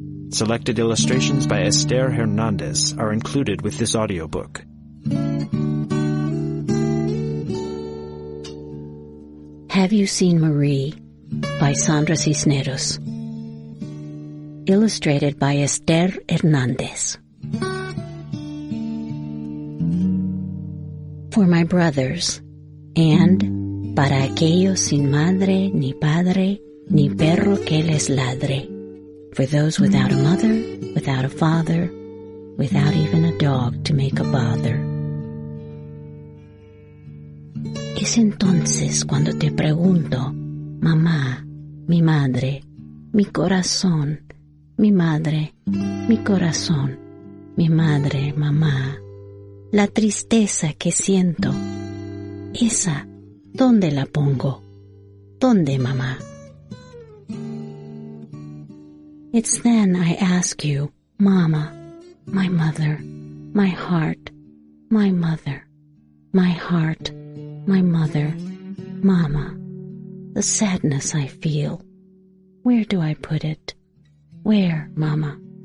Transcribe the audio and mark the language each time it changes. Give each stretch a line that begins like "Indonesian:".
English: Selected illustrations by Esther Hernandez are included with this audiobook. Have You Seen Marie by Sandra Cisneros, illustrated by Esther Hernandez. For my brothers, and
Spanish: para aquellos sin madre, ni padre, ni perro que les ladre.
English: For those without a mother, without a father, without even a dog to make a bother.
Spanish: Es entonces cuando te pregunto, mamá, mi madre, mi corazón, mi madre, mi corazón, mi madre, mamá. La tristeza que siento, esa, ¿dónde la pongo? ¿Dónde, mamá?
English: It's then I ask you, mama, my mother, my heart, my mother, my heart, my mother, mama, the sadness I feel, where do I put it? Where, mama?